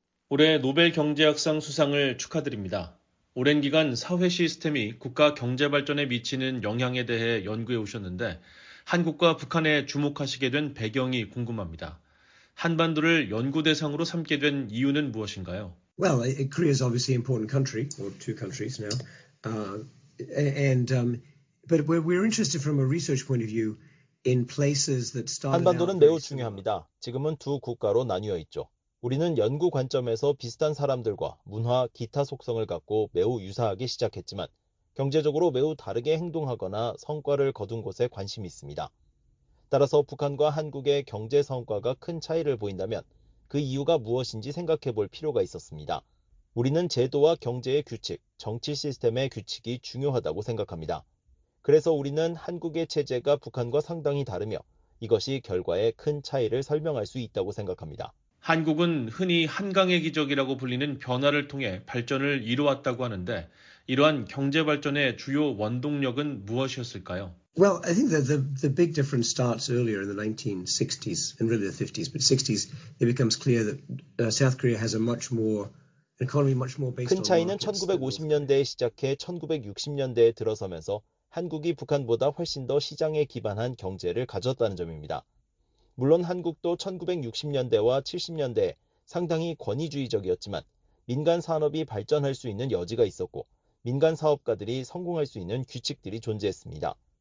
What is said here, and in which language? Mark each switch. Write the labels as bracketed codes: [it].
[ko] 올해 노벨 경제학상 수상을 축하드립니다. 오랜 기간 사회 시스템이 국가 경제 발전에 미치는 영향에 대해 연구해 오셨는데 한국과 북한에 주목하시게 된 배경이 궁금합니다. 한반도를 연구 대상으로 삼게 된 이유는 무엇인가요? [en] Well, Korea is obviously an important country, or two countries now. But we're interested from a research point of view in places that started. [ko] 한반도는 매우 중요합니다. 지금은 두 국가로 나뉘어 있죠. 우리는 연구 관점에서 비슷한 사람들과 문화, 기타 속성을 갖고 매우 유사하게 시작했지만 경제적으로 매우 다르게 행동하거나 성과를 거둔 곳에 관심이 있습니다. 따라서 북한과 한국의 경제 성과가 큰 차이를 보인다면 그 이유가 무엇인지 생각해 볼 필요가 있었습니다. 우리는 제도와 경제의 규칙, 정치 시스템의 규칙이 중요하다고 생각합니다. 그래서 우리는 한국의 체제가 북한과 상당히 다르며 이것이 결과에 큰 차이를 설명할 수 있다고 생각합니다. 한국은 흔히 한강의 기적이라고 불리는 변화를 통해 발전을 이루었다고 하는데 이러한 경제 발전의 주요 원동력은 무엇이었을까요? [en] Well, I think the big difference starts earlier in the 1960s and really the 50s, but 60s it becomes clear that South Korea has a much more economy much more based on [ko] 큰 차이는 1950년대에 시작해 1960년대에 들어서면서 한국이 북한보다 훨씬 더 시장에 기반한 경제를 가졌다는 점입니다. 물론 한국도 1960년대와 70년대에 상당히 권위주의적이었지만 민간 산업이 발전할 수 있는 여지가 있었고 민간 사업가들이 성공할 수 있는 규칙들이 존재했습니다.